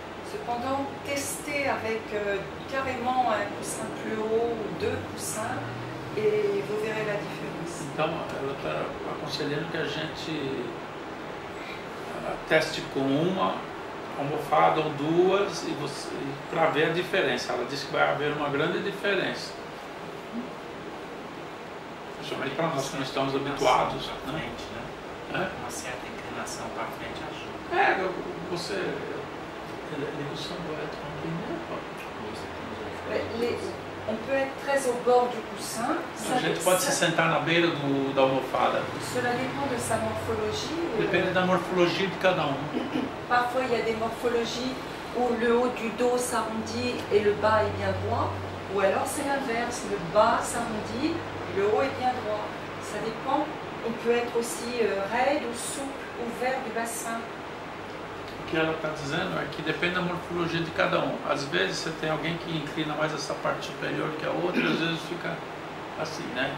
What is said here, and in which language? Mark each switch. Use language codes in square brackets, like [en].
[fr] Cependant, tester avec carrément un coussin plus haut ou deux coussins et vous verrez la différence. [pt] Então, ela está aconselhando que a gente teste com uma almofada ou duas e você para ver a diferença. Ela disse que vai haver uma grande diferença. Principalmente para nós que não estamos habituados, né? Uma certa inclinação para frente ajuda. É, você [fr] livre semble être en premier plan. On peut être très au bord du coussin. Je peux se sentir [pt] na beira do, da almofada. [fr] Cela dépend de sa morphologie. [pt] Depende da morfologia de cada um. [fr] Parfois, il y a des morphologies où le haut du dos s'arrondit et le bas est bien droit. Ou alors, c'est l'inverse. Le bas s'arrondit, le haut est bien droit. Ça dépend. On peut être aussi raide ou souple, ouvert du bassin. [pt] O que ela está dizendo é que depende da morfologia de cada um. Às vezes você tem alguém que inclina mais essa parte superior que a outra, às vezes fica assim, né?